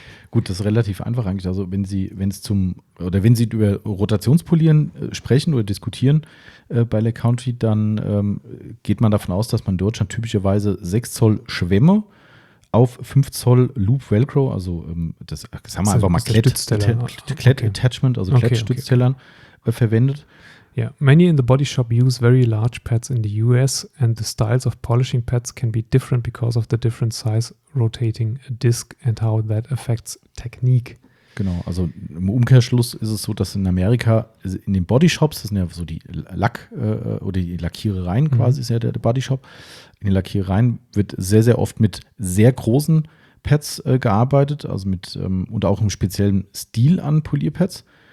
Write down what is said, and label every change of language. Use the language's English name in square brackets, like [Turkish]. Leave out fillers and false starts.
[German] Gut, das ist relativ einfach eigentlich. Also wenn Sie über Rotationspolieren sprechen oder diskutieren bei Lake County, dann geht man davon aus, dass man in Deutschland typischerweise 6 Zoll Schwämme auf 5 Zoll Loop Velcro, also das sagen wir einfach mal Klett-Attachment, also Klettstützteller, verwendet. [English] Yeah, many in the body shop use very large pads in the US and the styles of polishing pads can be different because of the different size rotating disc and how that affects technique. [German] Genau, also im Umkehrschluss ist es so, dass in Amerika in den Body Shops, das sind ja so die Lack oder die Lackierereien quasi, ist ja der Body Shop, in den Lackierereien wird sehr, sehr oft mit sehr großen Pads gearbeitet, also mit und auch im speziellen Stil an Polierpads.